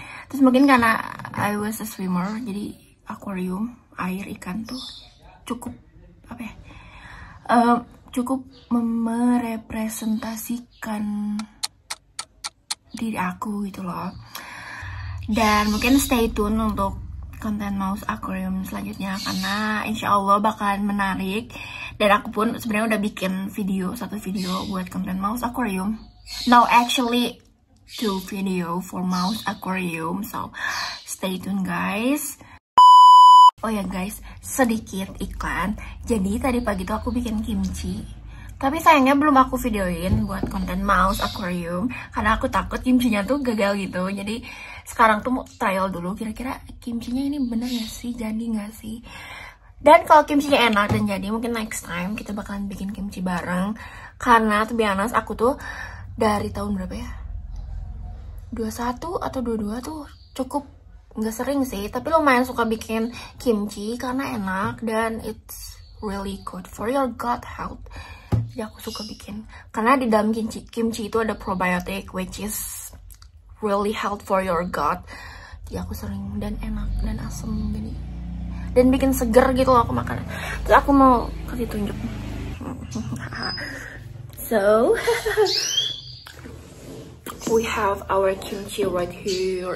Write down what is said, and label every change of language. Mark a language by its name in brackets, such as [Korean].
[Indonesian] Terus mungkin karena [English] I was a swimmer, [Indonesian] jadi aquarium, air, ikan tuh cukup apa ya, cukup merepresentasikan diri aku gitu loh. Dan mungkin stay tune untuk konten Maus Aquarium selanjutnya, karena insya Allah bakalan menarik. Dan aku pun sebenarnya udah bikin video, satu video buat konten Maus Aquarium. [English] Now actually two video for Maus Aquarium, so stay tune guys. [Indonesian] Oh ya guys, sedikit iklan. Jadi tadi pagi tuh aku bikin kimchi, tapi sayangnya belum aku videoin buat konten Maus Aquarium, karena aku takut kimchinya tuh gagal gitu. Jadi sekarang tuh mau trial dulu, kira-kira kimchinya ini bener gak sih, jadi gak sih. Dan kalau kimchinya enak dan jadi, mungkin next time kita bakalan bikin kimchi bareng. Karena [English] to be honest, [Indonesian] aku tuh dari tahun berapa ya, 21 atau 22 tuh cukup gak sering sih, tapi lumayan suka bikin kimchi karena enak dan [English] it's really good for your gut health. [Indonesian] Jadi aku suka bikin, karena di dalam kimchi itu ada probiotic [English] which is really health for your gut. [Indonesian] Jadi aku sering, dan enak dan asem gini, dan bikin seger gitu loh aku makan. Terus aku mau kasih tunjuk. [English] So we have our kimchi right here.